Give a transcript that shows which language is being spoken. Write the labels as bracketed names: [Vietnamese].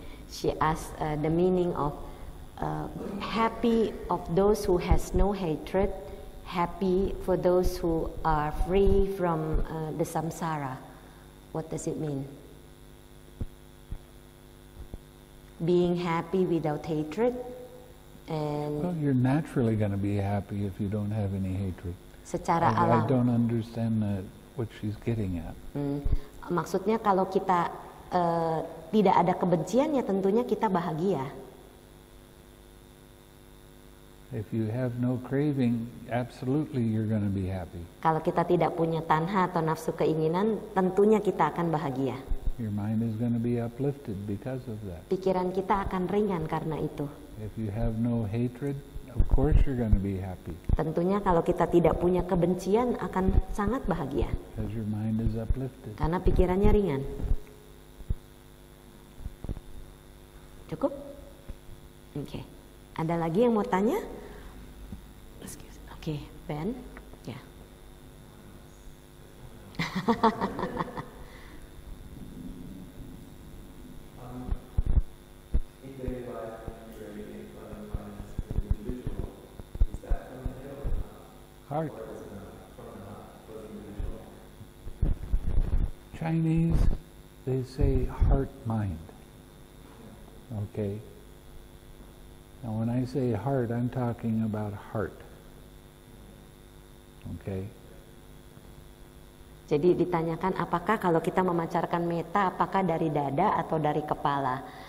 [English] She asked the meaning of happy of those who has no hatred, happy for those who are free from the samsara. What does it mean? Being happy without hatred. And well, you're naturally going to be happy if you don't have any hatred. [Indonesian] Secara alam. [English] I don't understand what she's getting at. [Indonesian] Maksudnya kalau kita tidak ada kebencian, ya tentunya kita bahagia. [English] If you have no craving, absolutely you're going to be happy. [Indonesian] Kalau kita tidak punya tanha atau nafsu keinginan, tentunya kita akan bahagia. [English] Your mind is going to be uplifted because of that. [Indonesian] Pikiran kita akan ringan karena itu. [English] If you have no hatred, of course you're going to be happy. [Indonesian] Tentunya kalau kita tidak punya kebencian akan sangat bahagia. [English] Because your mind is uplifted. [Indonesian] Karena pikirannya ringan. Cukup? Oke. Okay. Ada lagi yang mau tanya? Oke, okay. Ben. Ya. Yeah. [English] Heart. Chinese, they say heart mind. Okay. Now when I say heart, I'm talking about heart. Okay. [Indonesian] Jadi ditanyakan apakah kalau kita memancarkan metta apakah dari dada atau dari kepala?